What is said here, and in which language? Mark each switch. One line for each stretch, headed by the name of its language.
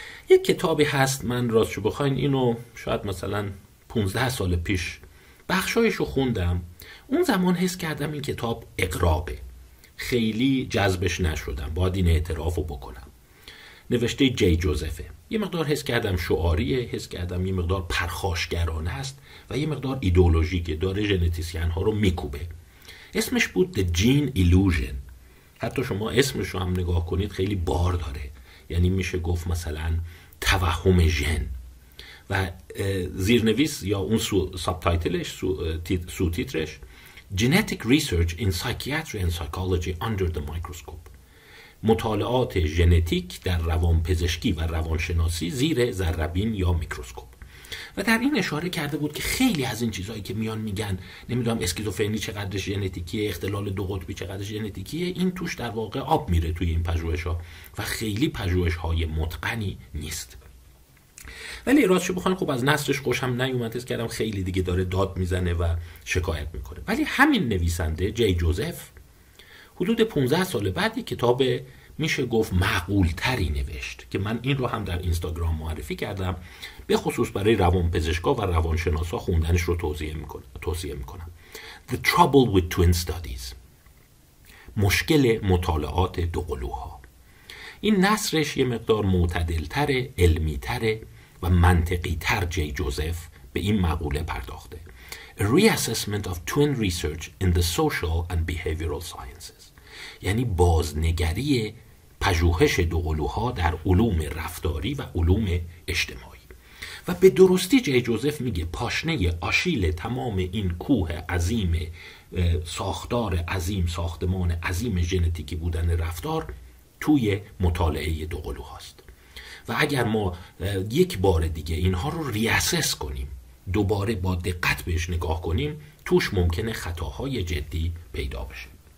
Persian: یک کتابی هست، من راستشو بخواین اینو شاید مثلا 15 سال پیش بخشایشو خوندم، اون زمان حس کردم این کتاب اغرابه، خیلی جذبش نشدم، باید این اعتراف رو بکنم. نوشته جی جوزفه، یه مقدار حس کردم شعاریه، حس کردم یه مقدار پرخاشگرانه است و یه مقدار ایدئولوژیکه، داره ژنتیسیان ها رو میکوبه. اسمش بود
English: The Gene Illusion.
Persian: حتی شما اسمش رو هم نگاه کنید خیلی بار داره، یعنی میشه گفت مثلا توهم ژن. و زیرنویس یا اون سابتایتلش، سوتیترش
English: Genetic Research in Psychiatry and Psychology Under the Microscope،
Persian: مطالعات ژنتیک در روانپزشکی و روانشناسی زیر ذره‌بین یا میکروسکوپ. و در این اشاره کرده بود که خیلی از این چیزهایی که میان میگن، نمیدونم اسکیزوفرنی چقدرش ژنتیکیه، اختلال دو قطبی چقدرش ژنتیکیه، این توش در واقع آب میره توی این پژوهش‌ها و خیلی پژوهش‌های متقنی نیست. ولی راستش بخواید خب از نثرش خوشم نیومد، اسم کردم خیلی دیگه داره داد میزنه و شکایت میکنه. ولی همین نویسنده جی جوزف حدود 15 سال بعد یک کتاب میشه گفت معقول تری نوشت که من این رو هم در اینستاگرام معرفی کردم، به خصوص برای روانپزشکا و روانشناسا خوندنش رو توصیه میکنم.
English: The Trouble with Twin Studies،
Persian: مشکل مطالعات دوقلوها. این نثرش یه مقدار معتدل تر، علمی تر و منطقی تر جی جوزف به این مقوله پرداخته.
English: A reassessment of twin research in the social and behavioral sciences،
Persian: یعنی بازنگری پژوهش دوقلوها در علوم رفتاری و علوم اجتماعی. و به درستی جی جوزف میگه پاشنه آشیل تمام این کوه عظیم، ساختار عظیم، ساختمان عظیم ژنتیکی بودن رفتار توی مطالعه دوقلوهاست. و اگر ما یک بار دیگه اینها رو ریاسس کنیم، دوباره با دقت بهش نگاه کنیم، توش ممکنه خطاهای جدی پیدا بشه.